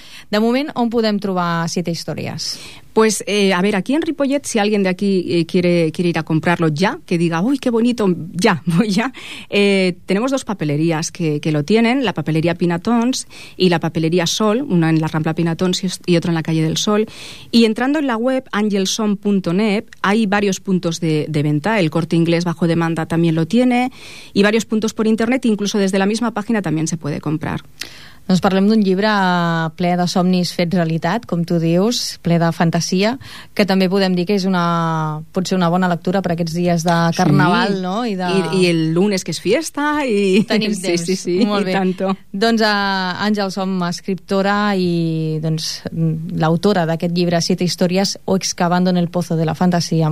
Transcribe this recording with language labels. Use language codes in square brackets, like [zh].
[ca] De moment, on podem trobar 7 històries? [es] Pues, a ver, aquí en Ripollet, si alguien de aquí quiere ir a comprarlo ya, que diga, uy, qué bonito, ya, voy ya. Tenemos 2 papelerías que lo tienen, la papelería Pinatons y la papelería Sol, una en la Rambla Pinatons y otra en la calle del Sol. Y entrando en la web, angelson.net, hay varios puntos de venta, el Corte Inglés bajo demanda también lo tiene, y varios puntos por internet, incluso desde la misma página también se puede comprar. [ca] Doncs parlem d'un llibre ple de somnis fet realitat, com tu dius, ple de fantasia, que també podem dir que és una, potser una bona lectura per aquests dies de carnaval, sí. No? I, de... I [es] el lunes, [ca] que és festa, i... Tenim temps. Sí, molt bé. [es] Tanto. [ca] Doncs, Àngels, som escriptora i doncs, l'autora d'aquest llibre, 7 històries, o excavando en el pozo de la fantasia.